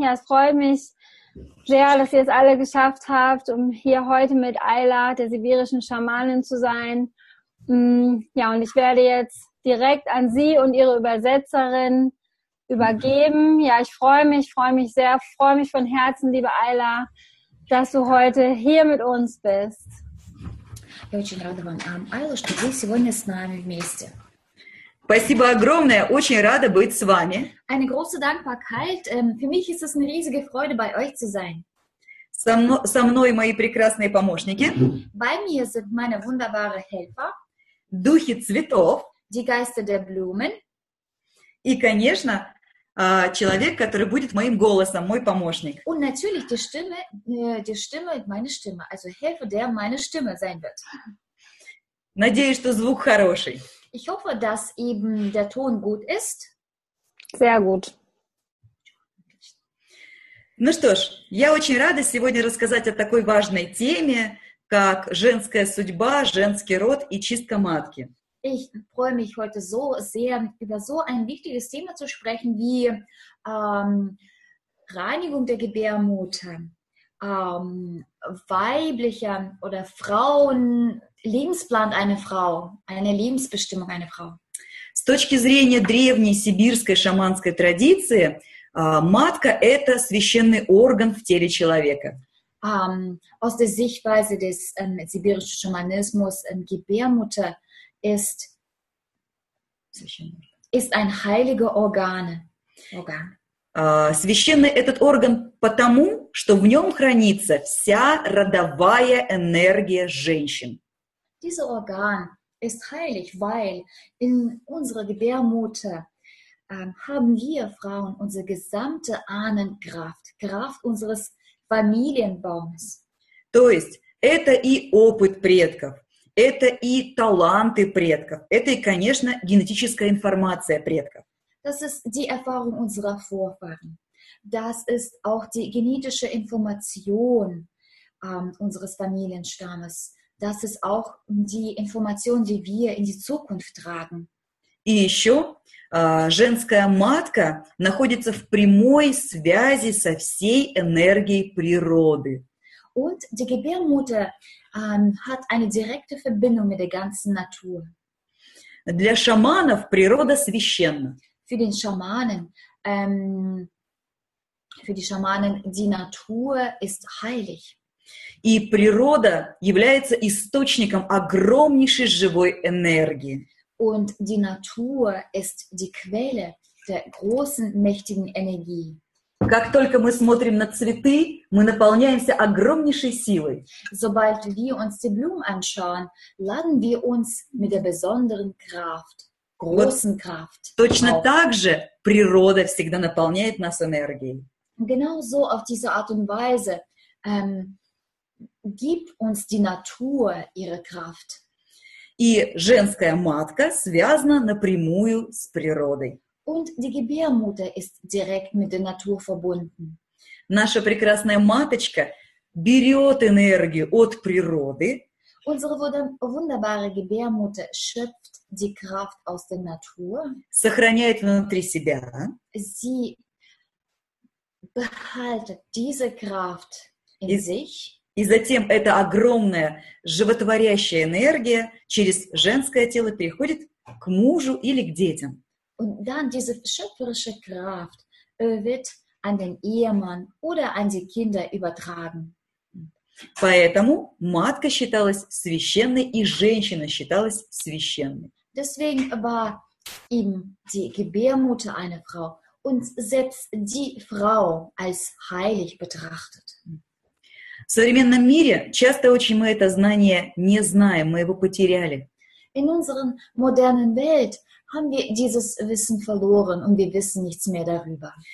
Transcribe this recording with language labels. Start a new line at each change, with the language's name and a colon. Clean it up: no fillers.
German: Ja, es freut mich sehr, dass ihr es alle geschafft habt, um hier heute mit Ayla, der sibirischen Schamanin, zu sein. Ja, und ich werde jetzt direkt an Sie und Ihre Übersetzerin übergeben. Ja, ich freue mich sehr, freue mich von Herzen, liebe Ayla, dass du heute hier mit uns bist.
Russian: Я очень рада вам, Айла, что вы сегодня с нами вместе. Спасибо огромное, очень рада быть с вами.
German: Eine große Dankbarkeit. Für mich ist es eine riesige Freude, bei euch zu sein.
Russian: Со мной мои прекрасные помощники.
German: Bei mir sind meine wunderbaren Helfer.
Russian: Духи цветов.
German: Die Geister der Blumen.
Russian: И, конечно, человек, который будет моим голосом, мой помощник.
German: Und natürlich die Stimme, meine Stimme, also Helfer, der meine Stimme sein wird.
Russian: Надеюсь, что звук хороший.
German: Ich hoffe, dass eben der Ton gut ist. Sehr gut.
Russian: Ну что ж, я очень рада сегодня рассказать о такой важной теме, как женская судьба, женский род и чистка матки.
German: Ich freue mich heute so sehr, über so ein wichtiges Thema zu sprechen wie Reinigung der Gebärmutter, weiblicher oder Frauen, Lebensplan einer Frau, eine Lebensbestimmung einer Frau.
Russian: С точки зрения древней сибирской шаманской традиции, матка – это священный орган в теле человека.
German: Aus der Sichtweise des sibirischen Schamanismus, Gebärmutter ist ein heiliger Organ.
Russian: Священный этот орган потому, что в нем хранится вся родовая энергия женщин.
German: Dieser Organ ist heilig, weil in unserer Gebärmutter haben wir Frauen unsere gesamte Ahnenkraft, Kraft unseres Familienbaumes.
Russian: То есть это и опыт предков. Это и таланты предков, это и, конечно, генетическая информация предков.
German: Das ist die Erfahrung unserer Vorfahren. Das ist auch die genetische Information unseres Familienstammes. Das ist auch die Information, die wir in die Zukunft tragen.
Russian: И еще женская матка находится в прямой связи со всей энергией природы.
German: Und die Gebärmutter hat eine direkte Verbindung mit der ganzen Natur.
Russian: Для шаманов природа священна.
German: Für den Schamanen, für die Schamanen, die Natur ist heilig.
Russian: И природа является источником огромнейшей живой энергии.
German: Und die Natur ist die Quelle der großen, mächtigen Energie.
Russian: Как только мы смотрим на цветы, мы наполняемся огромнейшей силой.
German: Sobald wir uns die Blumen anschauen, laden wir uns mit der besonderen Kraft, großen Kraft.
Russian: Точно так же природа всегда наполняет нас энергией.
German: Genauso auf diese Art und Weise gibt uns die Natur ihre Kraft.
Russian: И женская матка связана напрямую с природой.
German: Und die Gebärmutter ist direkt mit der Natur verbunden.
Russian: Наша прекрасная маточка берет энергию от природы.
German: Unsere wunderbare Gebärmutter schöpft die Kraft aus der Natur.
Russian: Сохраняет внутри себя.
German: Sie behält diese Kraft in sich.
Russian: И затем эта огромная животворящая энергия через женское тело переходит к мужу или к детям.
German: Und dann diese schöpferische Kraft wird an den Ehemann oder an die Kinder übertragen.
Russian: Поэтому матка считалась священной, и женщина считалась священной.
German: Deswegen war eben die Gebärmutter einer Frau und selbst die Frau als heilig betrachtet.
Russian: В современном мире часто очень мы это знание не знаем, мы его потеряли.
German: In unserer modernen Welt haben wir dieses Wissen verloren und wir wissen nichts mehr darüber.